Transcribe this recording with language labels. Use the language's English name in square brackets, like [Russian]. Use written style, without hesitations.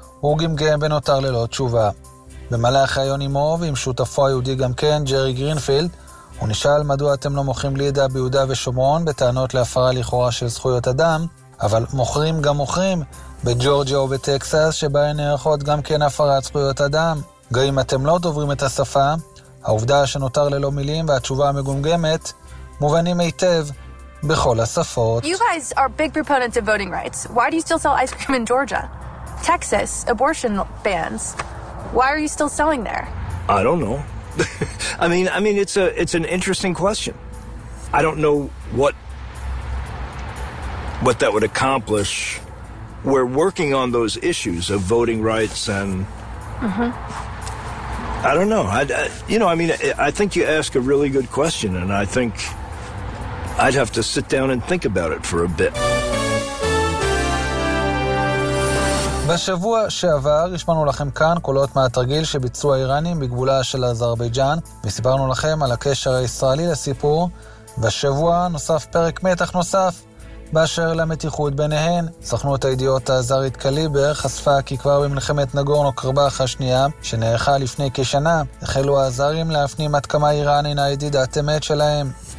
[Hebrew] הוא גמגם ונותר ללא תשובה. במלאך חיון אימו ועם שותפו היהודי גם כן, ג'רי גרינפילד, הוא נשאל מדוע אתם לא מוכרים לידה ביהודה ושומרון בטענות להפרה לכאורה של זכויות אדם, אבל מוכרים גם מוכרים בג'ורג'יה או בטקסס שבהן נערכות גם כן הפרת זכויות אדם. גם אם אתם לא דוברים את השפה, העובדה שנותר ללא מילים והתשובה המגומגמת מובנים היטב בכל השפות. [English] You guys are big proponents of voting rights. Why do you still sell ice cream in Georgia? Texas, abortion bans. Why are you still selling there? I don't know. I mean it's an interesting question. I don't know what that would accomplish. We're working on those issues of voting rights and I don't know. I think you ask a really good question and I think I'd have to sit down and think about it for a bit. [Hebrew] בשבוע שעבר השמענו לכם כאן קולות מהתרגיל שביצעו האיראנים בגבולה של אזרבייג'אן, וסיפרנו לכם על הקשר הישראלי לסיפור. בשבוע נוסף פרק מתח נוסף באשר למתיחות ביניהן. סוכנות הידיעות האזרית קליבר חשפה כי כבר במלחמת נגורנו קרבאך השנייה שנערכה לפני כשנה, החלו האזרים להפנים עד כמה איראן אינה ידידת אמת שלהם.